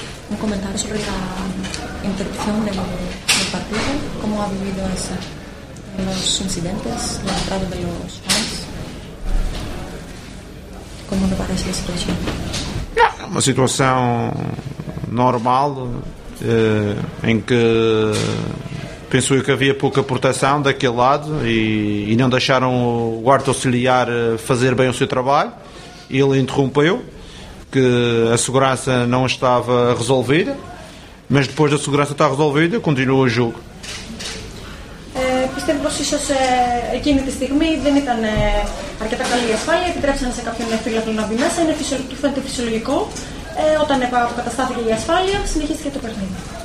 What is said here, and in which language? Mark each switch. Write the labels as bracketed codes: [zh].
[es] Un comentario sobre la interrupción del partido, cómo ha vivido esa, los incidentes, la entrada de los fans. ¿Cómo le parece la situación? Una situación normal en que. [pt] Penso eu que havia pouca proteção daquele lado e não deixaram o guarda auxiliar fazer bem o seu trabalho. Ele interrompeu, que a segurança não estava resolvida, mas depois da segurança estar resolvida, continua o jogo. [el] Πιστεύω πως ίσως εκείνη τη στιγμή δεν ήταν αρκετά καλή η ασφάλεια, επιτρέψανε σε κάποιον φίλο να μπει μέσα, του φαίνεται φυσιολογικό. Όταν αποκαταστάθηκε η ασφάλεια, συνεχίστηκε το παιχνίδι.